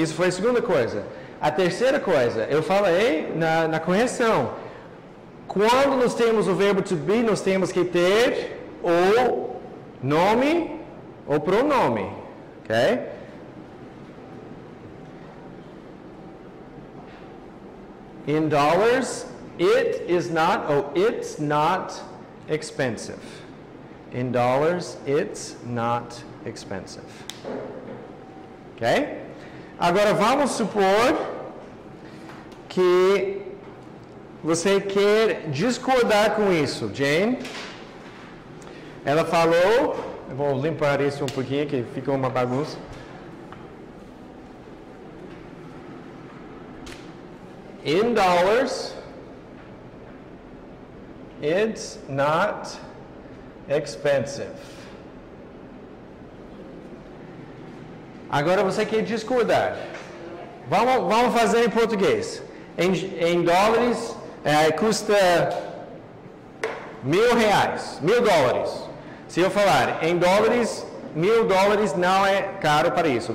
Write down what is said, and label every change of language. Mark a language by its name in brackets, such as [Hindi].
[Portuguese] Isso foi a segunda coisa. A terceira coisa, eu falei na correção, quando nós temos o verbo to be, nós temos que ter o nome ou pronome, ok? [English] In dollars, it is not, it's not expensive. In dollars, it's not expensive. Ok? [Portuguese] Agora, vamos supor que você quer discordar com isso, Jane. Ela falou, eu vou limpar isso um pouquinho, que ficou uma bagunça. [English] In dollars, it's not expensive. [Portuguese] Agora você quer discordar. Vamos fazer em português. Em dólares, custa mil dólares. Se eu falar em dólares, $1,000 não é caro para isso.